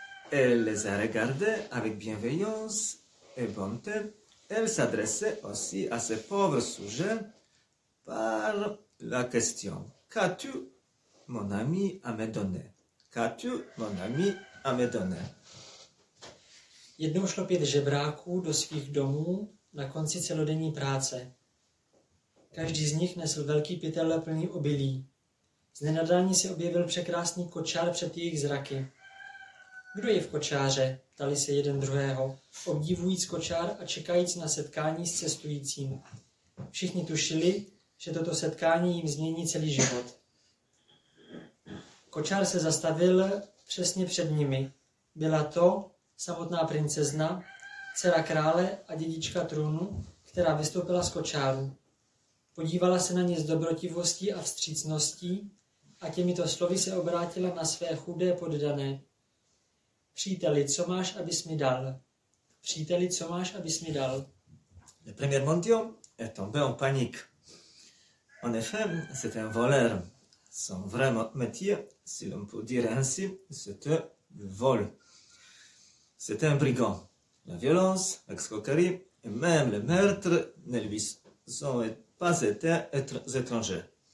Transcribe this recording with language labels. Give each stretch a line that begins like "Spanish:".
French: Elle les a regardés avec bienveillance et bonté. Elle s'adressait aussi à ses pauvres sujets par la question « Qu'as-tu, mon ami, à me donner ? Qu'as-tu, mon ami, à me donner ?»
Czech: Jednou šlo pět žebráků do svých domů na konci celodenní práce. Každý z nich nesl velký pytel plný obilí. Z nenadání se objevil překrásný kočár před jejich zraky. Kdo je v kočáře? Ptali se jeden druhého, obdivujíc kočár a čekajíc na setkání s cestujícím. Všichni tušili, že toto setkání jim změní celý život. Kočár se zastavil přesně před nimi. Byla to samotná princezna, dcera krále a dědička trůnu, která vystoupila z kočáru. Podívala se na ně s dobrotivostí a vstřícností a těmito slovy se obrátila na své chudé poddané. Příteli, co máš, abys mi dal? Příteli, co máš, abys mi dal?
French: Le premier mendiant est tombé en panique. En effet, c'est un voleur. Son vrai métier, si l'on peut dire ainsi, c'était le vol. C'était un brigand. La violence, l'escroquerie et même le meurtre ne lui sont pas été étrangers.